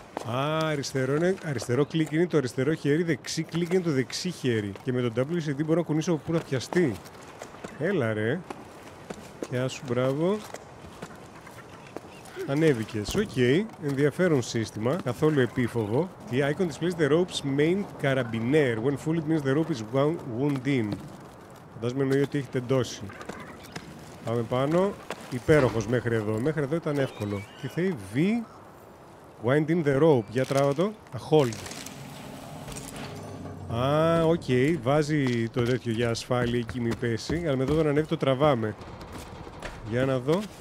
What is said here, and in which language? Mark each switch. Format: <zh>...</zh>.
<el>Α, αριστερό είναι, αριστερό κλικ είναι το αριστερό χέρι, δεξί κλικ είναι το δεξί χέρι. Και με τον WCD μπορώ να κουνήσω από πού να πιαστεί. Έλα ρε. Γεια σου, μπράβο. Ανέβηκες, οκ. Okay. Ενδιαφέρον σύστημα, καθόλου επίφοβο.</el> <en>The icon displays the rope's main carabiner. When full it means the rope is wound in.</en> <el>Φαντάζομαι εννοεί ότι έχει τεντώσει. Πάμε πάνω. Υπέροχος μέχρι εδώ. Μέχρι εδώ ήταν εύκολο. Τι θέλει, V.</el> <en>Wind in the rope.</en> <el>Για τράβα το.</el> <en>A hold.</en> <el>Α, οκ. Okay. Βάζει το τέτοιο για ασφάλεια εκεί μη πέσει. Αλλά με εδώ τον ανέβει το τραβάμε. Για να δω.</el>